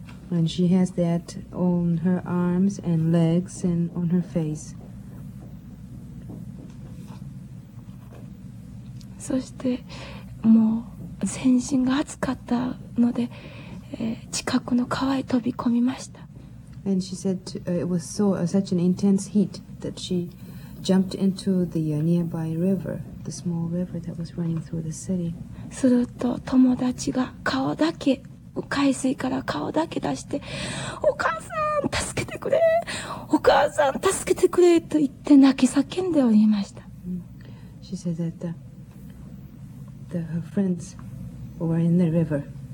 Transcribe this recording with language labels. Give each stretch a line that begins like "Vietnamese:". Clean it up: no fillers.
English: And she has that on her arms and legs and on her face.
Japanese: そしてもう全身が熱かったので、近くの川へ飛び込みました。
English: And she said to, it was so, such an intense heat that she jumped into the nearby river, the small river that was running through the city.
Japanese: すると友達が顔だけ、海水から顔だけ出して、お母さん助けてくれ、お母さん助けてくれと言って泣き叫んでおりました。
English: She said that her friends were in the river.